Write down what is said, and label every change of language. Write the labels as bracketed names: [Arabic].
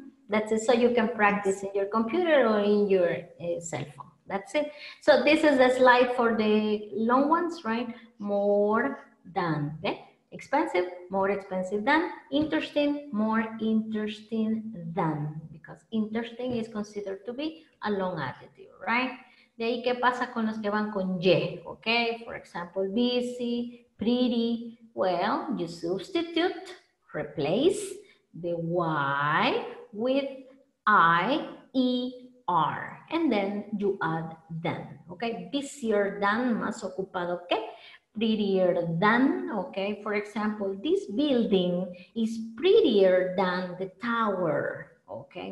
[English] That's it. So you can practice in your computer or in your cell phone. That's it. So this is a slide for the long ones, right? More than. Okay? Expensive, more expensive than. Interesting, more interesting than. Because interesting is considered to be a long adjective, right? [Spanish] De ahí, ¿qué pasa con los que van con ye? [English] Okay, for example, busy, pretty. Well, you substitute, replace the Y with I-E-R. And then you add than. Okay, busier than, más ocupado que. Prettier than, okay? For example, this building is prettier than the tower, okay?